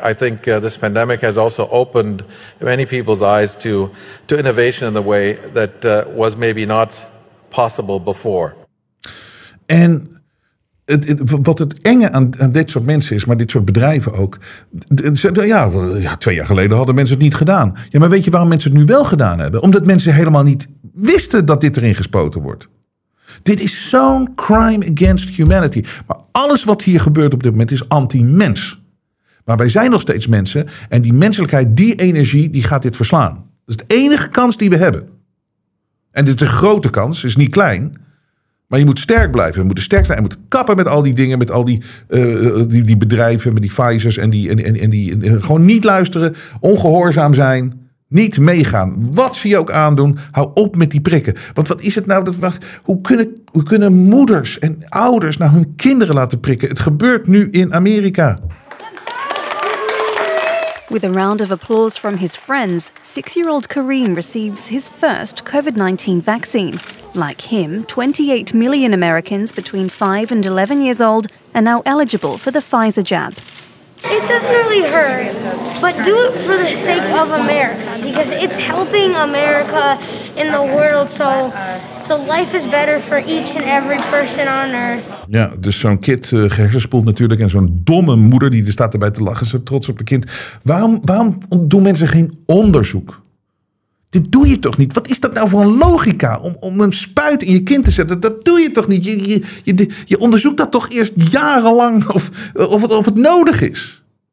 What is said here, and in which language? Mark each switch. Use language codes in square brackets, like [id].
[en] I think this pandemic has also opened many people's eyes to innovation in the way that was maybe not possible before. And [nl] wat het enge aan dit soort mensen is, maar dit soort bedrijven ook. Ja, 2 jaar geleden hadden mensen het niet gedaan. Ja, maar weet je waarom mensen het nu wel gedaan hebben? Omdat mensen helemaal niet wisten dat dit erin gespoten wordt. Dit is zo'n [en] crime against humanity. [nl] Maar alles wat hier gebeurt op dit moment is anti-mens. Maar wij zijn nog steeds mensen. En die menselijkheid, die energie, die gaat dit verslaan. Dat is de enige kans die we hebben. En dit is een grote kans, is niet klein. Maar je moet sterk blijven. Je moet sterk zijn en moet kappen met al die dingen. Met al die bedrijven, met die Pfizer's. En gewoon niet luisteren, ongehoorzaam zijn. Niet meegaan. Wat ze je ook aandoen, hou op met die prikken. Want wat is het nou? Hoe kunnen moeders en ouders nou hun kinderen laten prikken? Het gebeurt nu in Amerika. [en] With a round of applause from his friends, 6-year-old Kareem receives his first COVID-19 vaccine. Like him, 28 million Americans between 5 and 11 years old are now eligible for the Pfizer jab. It doesn't really hurt, but do it for the sake of America, because it's helping America in the world, so life is better for each and every person on earth. [nl] Ja, dus zo'n kid gehersenspoeld natuurlijk en zo'n domme moeder die er staat erbij te lachen, zo trots op de kind. Waarom doen mensen geen onderzoek? Dit doe je toch niet? Wat is dat nou voor een logica om een spuit in je kind te zetten? Dat doe je toch niet? Je onderzoekt dat toch eerst jarenlang of het nodig is?